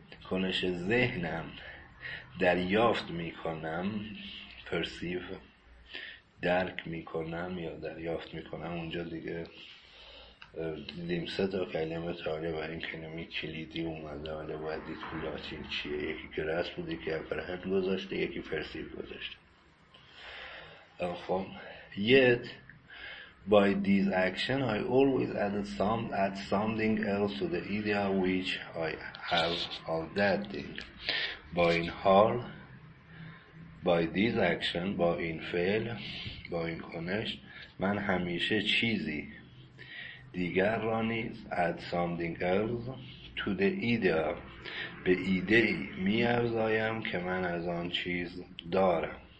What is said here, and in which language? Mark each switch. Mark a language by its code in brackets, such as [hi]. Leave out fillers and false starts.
[fa] کنش ذهنم دریافت میکنم، پرسیو درک میکنم یا دریافت میکنم، اونجا دیگه دیدیم سه تا کلمه تاله و این کلمه کلیدی اومده، ولی باید دید که لاتین چیه. یکی گرس بوده که افرهد گذاشته، یکی پرسیو گذاشته. [en] خب yet by this action I always added something else to the idea which I have of that thing. [fa] با این حال، [en] by this action، [fa] با این فعل، با این کنش، من همیشه چیزی دیگر را نیز [en] add something else to the idea، [fa] به ایده ای می افزایم که من از آن چیز دارم.